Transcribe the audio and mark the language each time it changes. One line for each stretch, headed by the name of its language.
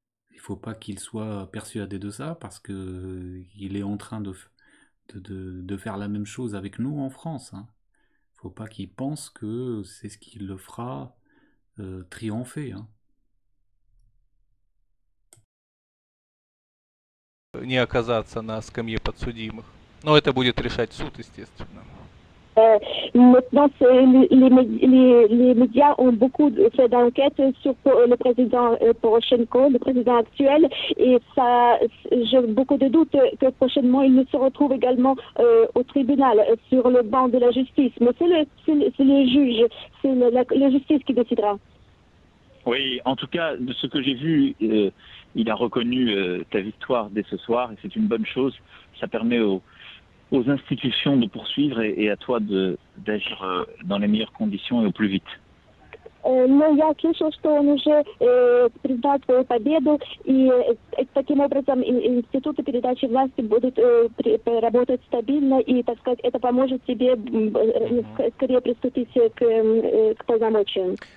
French: Il ne faut pas qu'il soit persuadé de ça, parce qu'il est en train de faire la même chose avec nous en France. Hein. Il ne faut pas qu'il pense que c'est ce qui le fera triompher. Hein.
Russian: Не оказаться на скамье подсудимых. Но это будет решать суд, естественно.
French: Maintenant, les médias ont beaucoup fait d'enquêtes sur le président Poroshenko, le président actuel, et ça, j'ai beaucoup de doutes que prochainement il ne se retrouve également au tribunal, sur le banc de la justice. Mais c'est le juge, c'est la justice qui décidera. Oui, en tout cas, de ce que j'ai vu, il a reconnu ta victoire dès ce soir, et c'est une bonne chose. Ça permet aux institutions de poursuivre et à toi d'agir dans les meilleures conditions et au plus vite.
Russian: Но я слышал, что он уже признал твою победу, и таким образом институты передачи власти будут работать стабильно, и, так сказать, это поможет тебе скорее приступить к полномочиям.